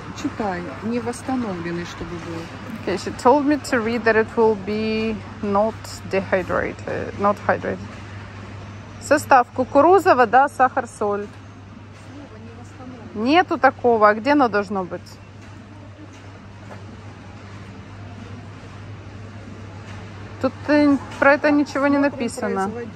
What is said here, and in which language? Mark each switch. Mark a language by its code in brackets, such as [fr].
[ru] Читай, не восстановленный, чтобы было. [en] Okay, she told me to read that it will be not dehydrated, not hydrated. [ru] Состав: кукуруза, вода, сахар, соль. Нету такого. А где оно должно быть? Тут про это ничего не написано.